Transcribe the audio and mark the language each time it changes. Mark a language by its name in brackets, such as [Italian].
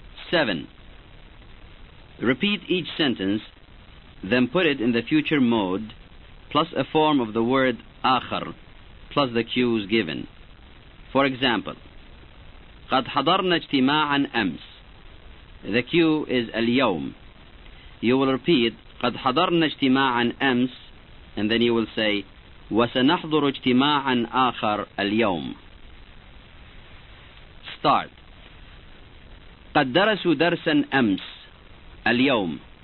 [English] 7. Repeat each sentence, then put it in the future mode, plus a form of the word آخر, plus the cues given. For example, [Arabic] قد حضرنا اجتماعا أمس. [English] The cue is اليوم. You will repeat, [Arabic] قد حضرنا اجتماعا أمس, [English] and then you will say, [Arabic] وسنحضر اجتماعا آخر اليوم. [English] Start. [Arabic] قد درسوا درسا أمس. اليوم.